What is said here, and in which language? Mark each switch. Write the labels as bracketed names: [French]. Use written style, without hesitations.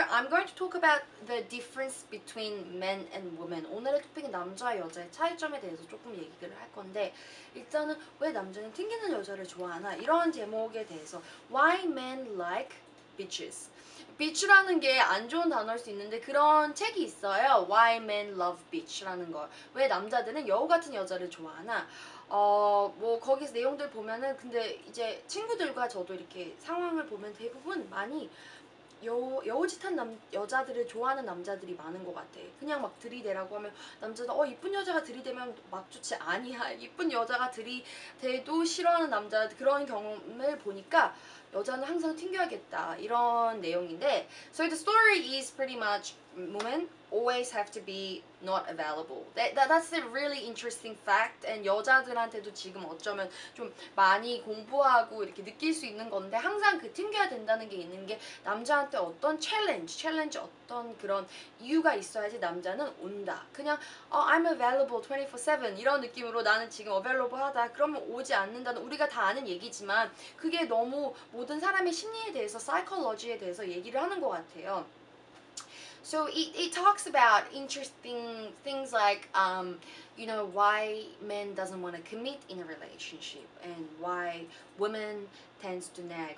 [English] I'm going to talk about the difference between men and women. [Korean] 오늘의 토픽은 남자와 여자의 차이점에 대해서 조금 얘기를 할 건데 일단은 왜 남자는 튕기는 여자를 좋아하나? 이런 제목에 대해서 [English] Why men like bitches? [Korean] Bitch라는 게 안 좋은 단어일 수 있는데 그런 책이 있어요. [English] Why men love bitch라는 걸. [Korean] 왜 남자들은 여우 같은 여자를 좋아하나? 뭐 거기서 내용들 보면은 근데 이제 친구들과 저도 이렇게 상황을 보면 대부분 많이 여우짓한 여자들을 좋아하는 남자들이 많은 것 같아. 그냥 막 들이대라고 하면 남자도 이쁜 여자가 들이대면 막 좋지 아니야. 이쁜 여자가 들이대도 싫어하는 남자 그런 경험을 보니까 여자는 항상 튕겨야겠다 이런 내용인데. [English] So the story is pretty much women always have to be not available. That's a really interesting fact. [Korean] And 여자들한테도 지금 어쩌면 좀 많이 공부하고 이렇게 느낄 수 있는 건데 항상 그 튕겨야 된다는 게 있는 게 남자한테 어떤 챌린지 어떤 그런 이유가 있어야지 남자는 온다. 그냥 [English] I'm available 24/7 [Korean] 이런 느낌으로 나는 지금 available하다. 그러면 오지 않는다는 우리가 다 아는 얘기지만 그게 너무 모든 사람의 심리에 대해서 사이콜로지에 대해서 얘기를 하는 것 같아요. [English] So it talks about interesting things like, you know, why men doesn't want to commit in a relationship and why women tends to nag.